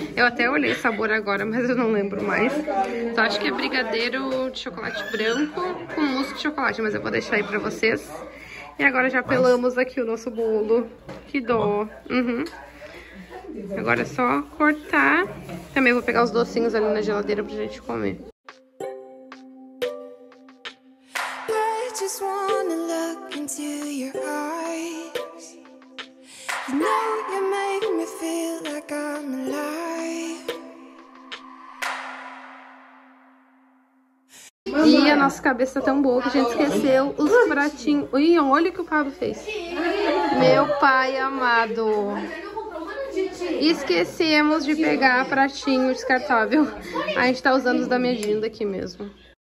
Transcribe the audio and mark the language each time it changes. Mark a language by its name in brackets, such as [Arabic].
[Portuguese] Eu até olhei o sabor agora, mas eu não lembro mais. Então acho que é brigadeiro de chocolate branco com mousse de chocolate, mas eu vou deixar aí pra vocês. E agora já pelamos aqui o nosso bolo. Que dó. Uhum. Agora é só cortar. Também vou pegar os docinhos ali na geladeira pra gente comer. [English] Just wanna look into your eyes. You know you make me feel like I'm alive. [Portuguese] E a nossa cabeça é tão boa que a gente esqueceu os pratinhos. Ih, olha o que o Pablo fez. Meu pai amado. Esquecemos de pegar pratinho descartável. A gente tá usando os da minha agenda aqui mesmo.